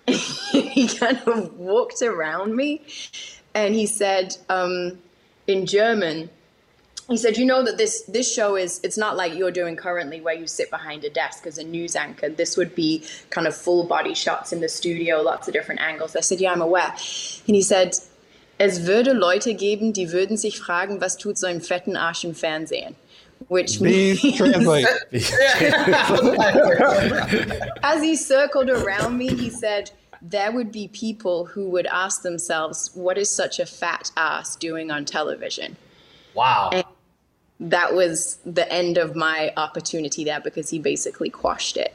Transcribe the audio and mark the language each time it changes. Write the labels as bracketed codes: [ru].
[en] He kind of walked around me and he said, in German, he said, you know that this show is, it's not like you're doing currently where you sit behind a desk as a news anchor. This would be kind of full body shots in the studio, lots of different angles. I said, yeah, I'm aware. And he said, [de] es würde Leute geben, die würden sich fragen, was tut so einem fetten Arsch im Fernsehen? [en] Which means, translate. As he circled around me, he said, there would be people who would ask themselves, what is such a fat ass doing on television? Wow. And that was the end of my opportunity there because he basically quashed it.